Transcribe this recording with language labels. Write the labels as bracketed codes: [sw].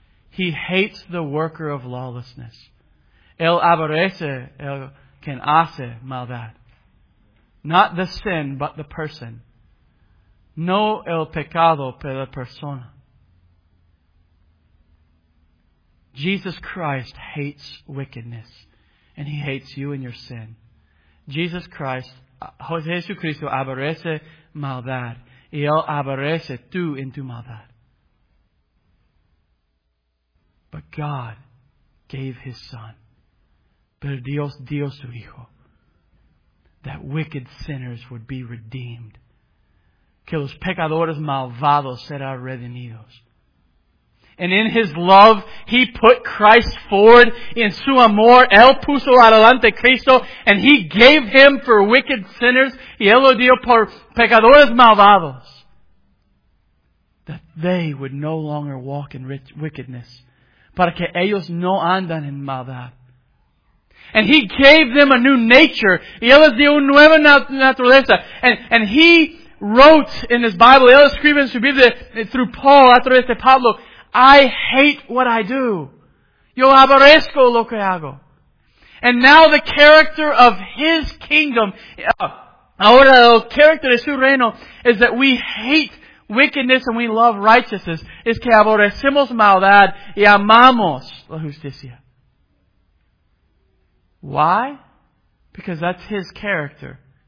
[en] He hates the worker of lawlessness. [es] Él aborrece el quien hace maldad. [en] Not the sin, but the person. [es] No el pecado, pero la persona. [en] Jesus Christ hates wickedness. And He hates you and your sin. [es] Jesus Christ, Jesucristo, aborrece maldad. Y Él aborrece tú en tu maldad. [en] But God gave His Son. [es] Pero Dios dio su Hijo. [en] That wicked sinners would be redeemed. [es] Que los pecadores malvados serán redimidos. [en] And in His love, He put Christ forward. [es] In su amor, Él puso adelante Cristo. [en] And He gave Him for wicked sinners. [es] Y Él lo dio por pecadores malvados. [en] That they would no longer walk in wickedness. [es] Para que ellos no andan en maldad. [en] And He gave them a new nature. [es] Y Él les dio una nueva naturaleza. [en] And He wrote in His Bible, [es] Él escribe en su Biblia, [en] through Paul, [es] a través de Pablo, [en] I hate what I do. [es] Yo aborrezco lo que hago. [en] And now the character of His kingdom, [es] ahora el character de su reino, [en] is that we hate wickedness and we love righteousness. [es] Es que aborrecemos maldad y amamos la justicia. [en] Why? Because that's His character.